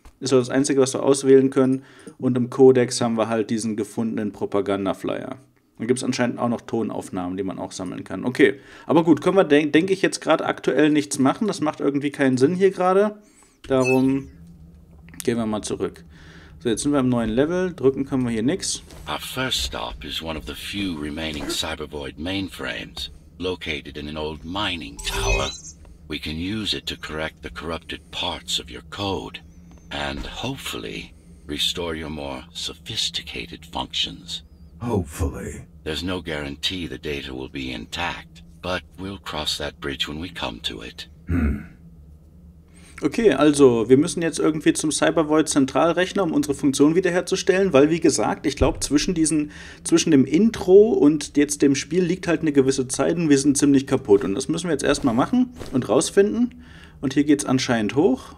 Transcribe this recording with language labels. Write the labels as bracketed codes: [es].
[de] Ist das Einzige, was wir auswählen können. Und im Codex haben wir halt diesen gefundenen Propaganda-Flyer. Da gibt es anscheinend auch noch Tonaufnahmen, die man auch sammeln kann. Okay, aber gut, können wir, denke ich, jetzt gerade aktuell nichts machen. Das macht irgendwie keinen Sinn hier gerade. Darum gehen wir mal zurück. So, jetzt sind wir im neuen Level. Drücken können wir hier nichts. [en] Our first stop is one of the few remaining Cyber Void mainframes, located in an old mining tower. We can use it to correct the corrupted parts of your code and hopefully restore your more sophisticated functions. Hopefully. There's no guarantee the data will be intact, but we'll cross that bridge when we come to it. Hmm. [de] Okay, also wir müssen jetzt irgendwie zum Cybervoid-Zentralrechner, um unsere Funktion wiederherzustellen, weil wie gesagt, ich glaube, zwischen dem Intro und jetzt dem Spiel liegt halt eine gewisse Zeit und wir sind ziemlich kaputt. Und das müssen wir jetzt erstmal machen und rausfinden. Und hier geht's anscheinend hoch.